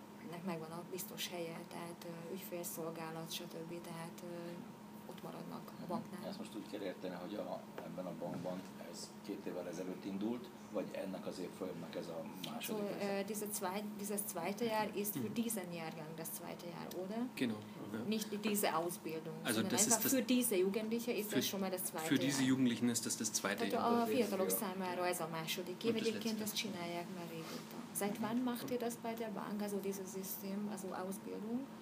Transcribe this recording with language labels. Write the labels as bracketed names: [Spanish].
[Hungarian] ennek megvan a biztos helye, tehát ügyfélszolgálat, stb. Tehát ott maradnak a banknál. Ezt most úgy kell érteni, hogy ebben a bankban ez két évvel ezelőtt indult, vagy ennek az évfolyamnak ez a második [German] so, dieses zweite Jahr ist für diesen Jahrgang das zweite Jahr, oder? Genau. Nicht diese Ausbildung, also sondern das einfach ist für diese Jugendliche ist das schon mal das zweite Jahr. Für diese Jugendlichen ist das zweite [Hungarian] tehát [German] Jahr. [Hungarian] A fiatalok számára ez a második év, egyébként ezt csinálják már régóta. [German] Seit wann macht ihr das bei der Bank, also dieses System, also Ausbildung?